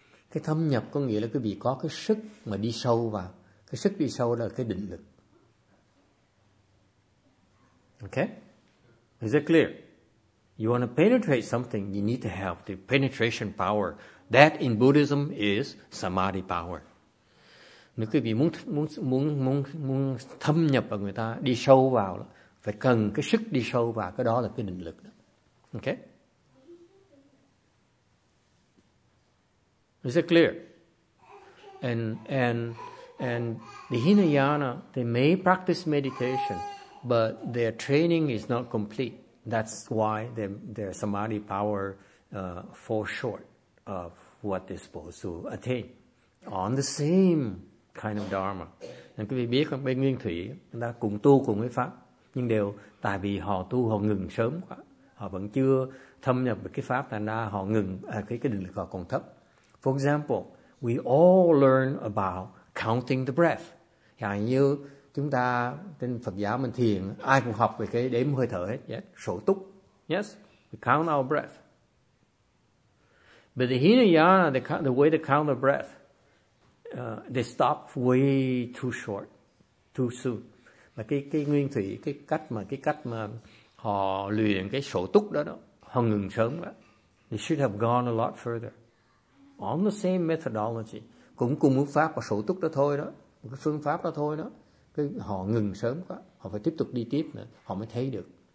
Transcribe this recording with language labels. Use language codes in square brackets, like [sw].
[vi] Cái thâm nhập có nghĩa là quý vị có cái sức mà đi sâu vào. Cái sức đi sâu là cái định lực. [en] Okay? Is that clear? You want to penetrate something, you need to have the penetration power. That in Buddhism is samadhi power. [vi] Nếu quý vị muốn thâm nhập vào người ta, đi sâu vào, phải cần cái sức đi sâu vào, cái đó là cái định lực. Đó. [en] Okay? Is it clear? And the Hinayana, they may practice meditation, but their training is not complete. That's why their samadhi power falls short of what they're supposed to attain on the same kind of dharma. [vi] Nên quý vị biết không, bên Nguyên Thủy, người ta cùng tu cùng với Pháp, nhưng đều tại vì họ tu, họ ngừng sớm quá. Họ vẫn chưa thâm nhập được cái Pháp, thành ra họ ngừng, cái định lực họ còn thấp. [en] For example, we all learn about counting the breath. [vi] Chẳng như chúng ta trên Phật giáo mình thiền, ai cũng học về cái đếm hơi thở hết, [en] yes. [vi] Sổ túc. [en] Yes, we count our breath. But the Hinayana, the way they count the breath, they stop way too short, too soon. [vi] Mà cái Nguyên Thủy, cái cách mà họ luyện cái sổ túc đó, họ ngừng sớm quá. [en] They should have gone a lot further. On the same methodology, [vi] cũng cùng một pháp và sổ túc đó thôi đó, một cái phương pháp đó thôi đó. Cái họ ngừng sớm quá, họ phải tiếp tục đi tiếp nữa, họ mới thấy được.